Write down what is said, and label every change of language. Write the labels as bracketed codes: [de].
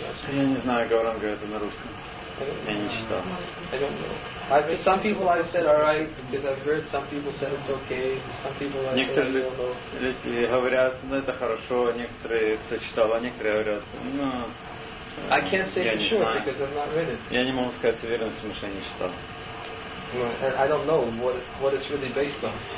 [ru] я не знаю, Гауранга это на русском. Я не читал. [en] I don't know. Some people I've said all right because I've heard some people said it's okay. Some people I've [ru] Некоторые люди говорят, ну это хорошо. Некоторые кто читал, а некоторые говорят, ну. [en] I can't say for sure because I've not read it. [ru] Я не могу сказать с уверенностью, потому что я не читал. [en] I don't know what it's really based on.